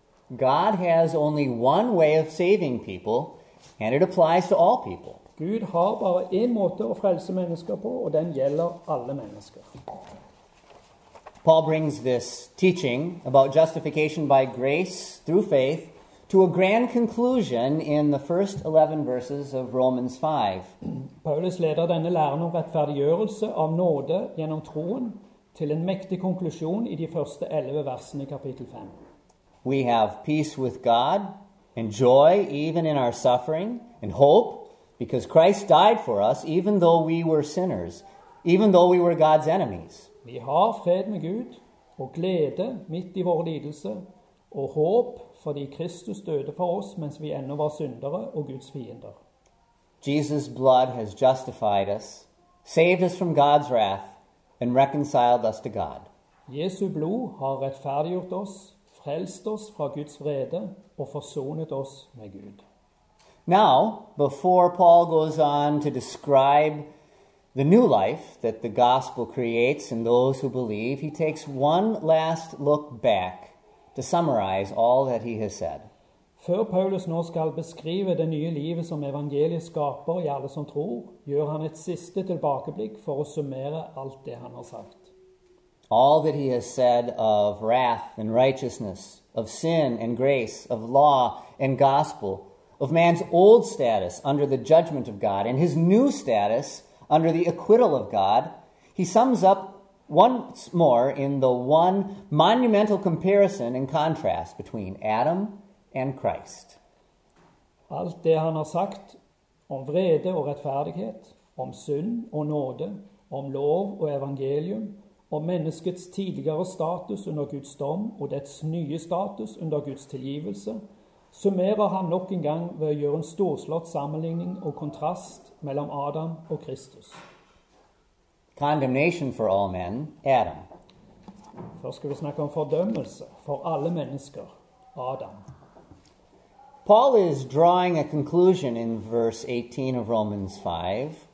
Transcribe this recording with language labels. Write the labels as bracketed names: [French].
[English] God has only one way of saving people, and it applies to all people. [Norwegian] Gud har bare en måte å frelse mennesker på, og den gjelder alle mennesker. [English] Paul brings this teaching about justification by grace through faith to a grand conclusion in the first 11 verses of Romans 5. [Norwegian] Paulus leder denne læren om rettferdiggjørelse av nåde gjennom troen til en mektig konklusjon i de første 11 versene i kapittel 5. [English] We have peace with God and joy even in our suffering and hope because Christ died for us even though we were sinners, even though we were God's enemies. [Norwegian] Vi har fred med Gud og glede midt i vår lidelse og håp fordi Kristus døde for oss mens vi ennå var syndere og Guds fiender. [English] Jesus' blood has justified us, saved us from God's wrath, and reconciled us to God. [Norwegian] Jesu blod har rettferdiggjort oss, frelst oss fra Guds vrede og forsonet oss med Gud. [English] Now, before Paul goes on to describe the new life that the gospel creates in those who believe, he takes one last look back to summarize all that he has said. [Norwegian] Før Paulus nå skal beskrive det nye livet som evangeliet skaper i alle som tror, gjør han et siste tilbakeblikk for å summere alt det han har sagt. [English] All that he has said of wrath and righteousness, of sin and grace, of law and gospel, of man's old status under the judgment of God and his new status under the acquittal of God, he sums up once more in the one monumental comparison and contrast between Adam and Christ. [Norwegian] Alt det han har sagt om vrede og rettferdighet, om synd og nåde, om lov og evangelium, om menneskets tidligere status under Guds dom og dets nye status under Guds tilgivelse, summerer han nok en gang ved å gjøre en storslått sammenligning og kontrast mellom Adam og Kristus. [English] Condemnation for all men, Adam. [Norwegian] Først skal vi snakke om fordømmelse for alle mennesker, Adam. [English] Paul is drawing a conclusion in verse 18 of Romans 5.